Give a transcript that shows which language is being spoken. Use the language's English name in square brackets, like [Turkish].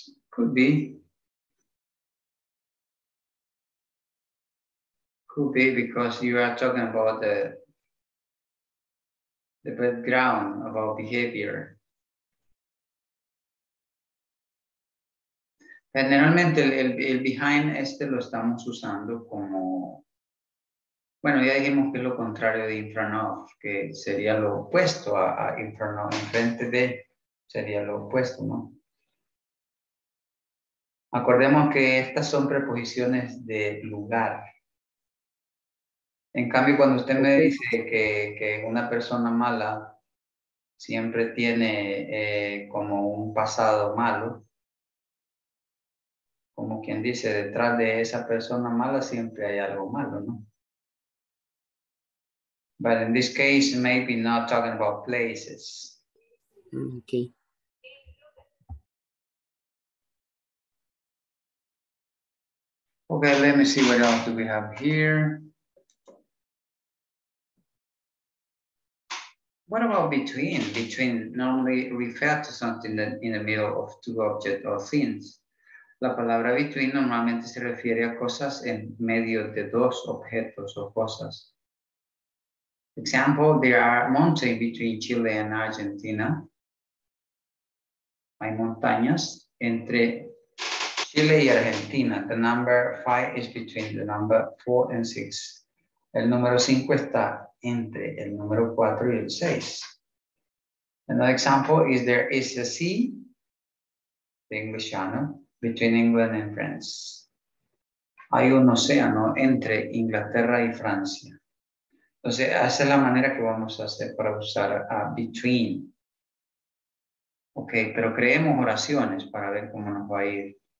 [English] Could be because you are talking about the background of our behavior. [Spanish] Generalmente el behind este lo estamos usando como, bueno, ya dijimos que es lo contrario de in front of, que sería lo opuesto a in front of, enfrente de, sería lo opuesto, ¿no? Acordemos que estas son preposiciones de lugar. En cambio, cuando usted me dice que una persona mala siempre tiene como un pasado malo, como quien dice, detrás de esa persona mala siempre hay algo malo, ¿no? [English] But in this case, maybe not talking about places. Okay. Okay, let me see what else do we have here. What about between? Between normally refers to something that in the middle of two objects or things. [Spanish] La palabra between normalmente se refiere a cosas en medio de dos objetos o cosas. [English] Example, there are mountains between Chile and Argentina. [Spanish] Hay montañas entre Chile y Argentina. [English] The number 5 is between the number 4 and 6. [Spanish] El número 5 está entre el número 4 y el 6. [English] Another example is there is a sea, the English channel, between England and France. [Spanish] Hay un océano entre Inglaterra y Francia. Entonces, esa es la manera que vamos a hacer para usar a between. Ok, pero creemos oraciones para ver cómo nos va a ir.